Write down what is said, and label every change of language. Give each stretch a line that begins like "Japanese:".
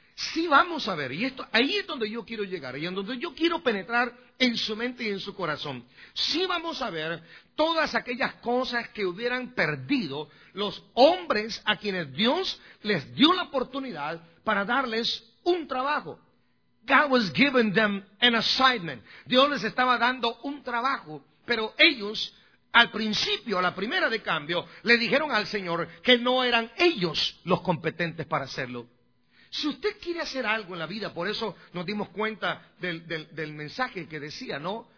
Spanish: sí vamos a ver, y esto ahí es donde yo quiero llegar y en donde yo quiero penetrar en su mente y en su corazón, sí vamos a ver todas aquellas cosas que hubieran perdido los hombres a quienes Dios les dio la oportunidad para darles un trabajo.
English: God was giving them an assignment.
Spanish: Dios les estaba dando un trabajo, pero ellos al principio, a la primera de cambio, le dijeron al Señor que no eran ellos los competentes para hacerlo. Si usted quiere hacer algo en la vida, por eso nos dimos cuenta del mensaje que decía, ¿no?